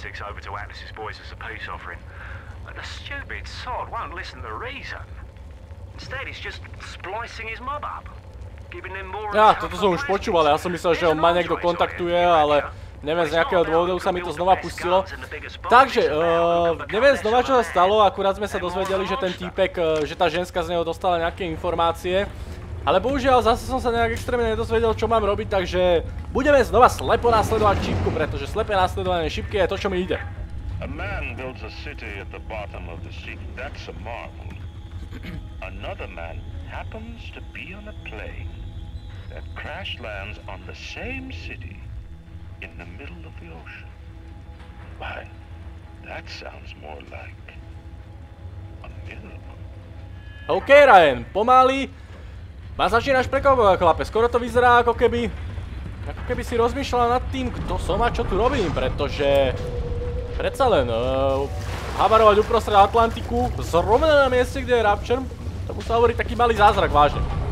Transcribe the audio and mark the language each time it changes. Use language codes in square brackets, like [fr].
[en] Over to Atlas's boys as a peace offering. But the stupid sod won't listen to reason. Instead, he's just splicing his mob up, giving them more. [sk] Ja, toto som už počúval, ja som myslel, že on ma niekto kontaktuje, ale neviem, z nejakého dôvodu sa mi to znova pustilo. Takže, neviem znova, čo sa stalo, akurát sme sa dozvedeli, že ten týpek, že tá ženská z neho dostala nejaké informácie. Ale bohužiaľ, zase som sa nejak extrémne nedozvedel, čo mám robiť, takže budeme znova slepo následovať šípku, pretože slepé následovanie šípky je to, čo mi ide. [en] A man builds a city at the bottom of the sea. That's a marvel. Another man happens to be on a plane that crash lands on the same city in the middle of the ocean. Why, that sounds more like a miracle. [sk] OK, Ryan, pomaly. Ma začínaš prekvapovať, chlape, skoro to vyzerá ako keby si rozmýšľal nad tým, kto som a čo tu robím, pretože predsa len havarovať uprostred Atlantiku zrovna na mieste, kde je Rapture, to musí hovoriť taký malý zázrak, vážne.